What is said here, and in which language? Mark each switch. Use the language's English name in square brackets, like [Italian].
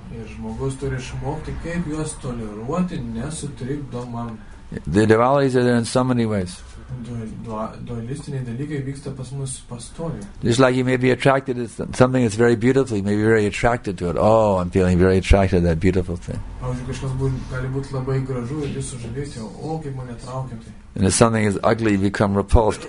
[English] The dualities are there in so many ways. [Lithuanian] Dualistiniai dalykai vyksta pas mus pastoviai. [English] Just like you may be attracted to something that's very beautiful, you may be very attracted to it. Oh, I'm feeling very attracted to that beautiful thing. [Lithuanian] Pavyzdžiui, kažkas gali būti labai gražu ir jūs sužavėti, o kaip mane traukia tai. [English] And if something is ugly, you become repulsed.